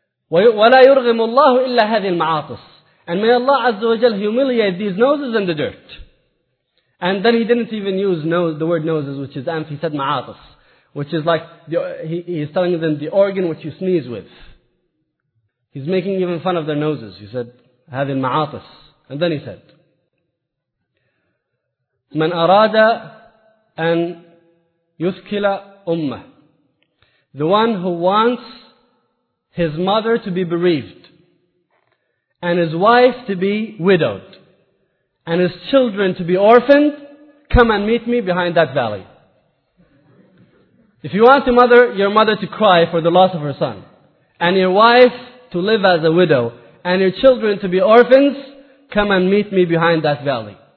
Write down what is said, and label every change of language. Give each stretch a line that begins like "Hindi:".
Arabic: وَلَا يُرْغِمُ اللَّهُ إِلَّا هَذِي الْمَعَاطِسِ.
English: And may Allah Azza wa Jal humiliate these noses in the dirt. And then he didn't even use nose, the word noses, which is amph, he said ma'atis. Which is like, he's telling them the organ which you sneeze with. He's making even fun of their noses. He said,
Arabic: هَذِي الْمَعَاطِسِ.
English: And then he said,
Arabic: من أراد أن يثكل أمة.
English: The one who wants his mother to be bereaved, and his wife to be widowed, and his children to be orphaned, come and meet me behind that valley. If you want your mother to cry for the loss of her son, and your wife to live as a widow, and your children to be orphans, come and meet me behind that valley.